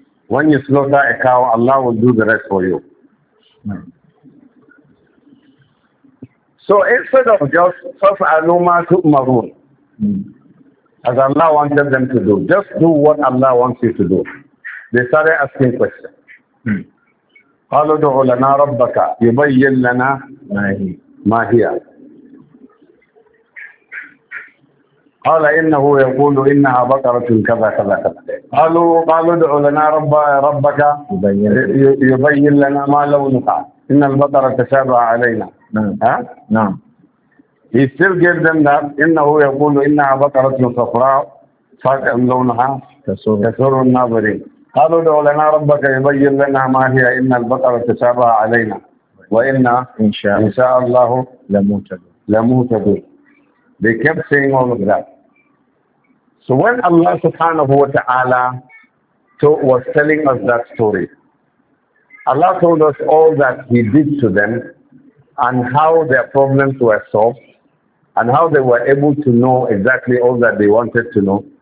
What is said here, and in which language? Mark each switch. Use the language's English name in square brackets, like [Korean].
[English] When you slow that account, Allah will do the rest for you. So instead of just first aluma to marun, as Allah wanted them to do, just do what Allah wants you to do. They started asking questions. [Arabic] قالوا دع لنا ربك يبين لنا ما هي. قال إنه يقول إنها بقرة كذا كذا كذا. قالوا دع لنا ربك يبين لنا ما لونها. إن البقرة تشابه علينا. نعم. [English] He still gave them that. [Arabic] إنه يقول إنها بقرة صفراء فاقع لونها تسر الناظرين. قالوا دع لنا ربك يبين لنا ما هي إن البقرة تشابه علينا وإنا إن شاء الله لمهتدون. [English] They kept saying all of that. So when Allah [Arabic] subhanahu wa ta'ala [English] was telling us that story, Allah told us all that He did to them and how their problems were solved and how they were able to know exactly all that they wanted to know.